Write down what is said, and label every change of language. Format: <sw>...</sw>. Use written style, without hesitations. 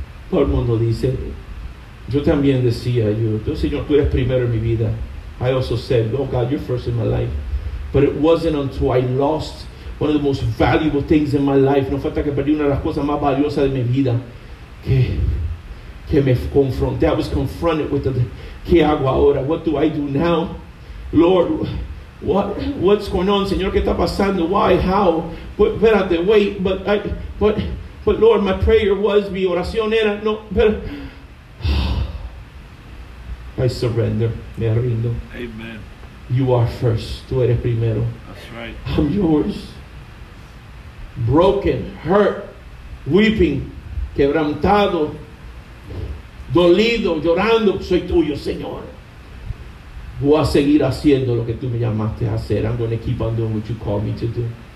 <es>Todo el mundo dice, yo también decía, yo, Señor, tú eres primero en mi vida.</es> <en>I also said, oh God, you're first in my life. But it wasn't until I lost one of the most valuable things in my life.</en> <es>No falta que perdí una de las cosas más valiosas de mi vida. Que me confronté.</es> <en>I was confronted with the</en> <es>¿qué hago ahora?</es> <en>What do I do now? Lord, what's going on?</en> <es>Señor, ¿qué está pasando?</es> <en>Why? How? But,</en> <es>espérate,</es> <en>wait, but I, but. But Lord, my prayer was,</en> <es>mi oración era, no, pero,</es> <en>I surrender,</en> <es>me rindo.</es> <en>Amen. You are first,</en> <es>tú eres primero.</es> <en>That's right. I'm yours. Broken, hurt, weeping,</en> <es>quebrantado, dolido, llorando, soy tuyo, Señor. Voy a seguir haciendo lo que tú me llamaste a hacer.</es> <en>I'm going to keep on doing what you called me to do.</en>